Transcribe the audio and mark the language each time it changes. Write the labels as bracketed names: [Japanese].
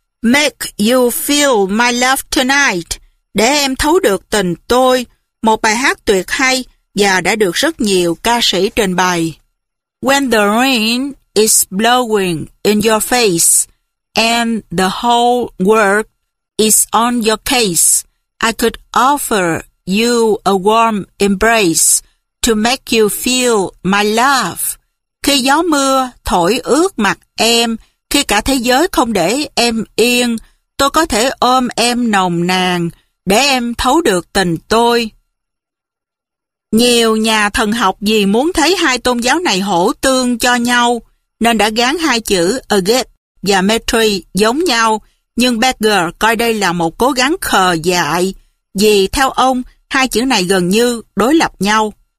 [Vietnamese] Make You Feel My Love Tonight, để em thấu được tình tôi, một bài hát tuyệt hay và đã được rất nhiều ca sĩ trình bày. [English] When the rain is blowing in your face and the whole world is on your case, I could offer you a warm embrace to make you feel my love. [Vietnamese] Khi gió mưa thổi ướt mặt em, khi cả thế giới không để em yên, tôi có thể ôm em nồng nàn để em thấu được tình tôi. Nhiều nhà thần học vì muốn thấy hai tôn giáo này hổ tương cho nhau, nên đã gán hai chữ Agape và Metri giống nhau, nhưng Berger coi đây là một cố gắng khờ dại, vì theo ông, hai chữ này gần như đối lập nhau.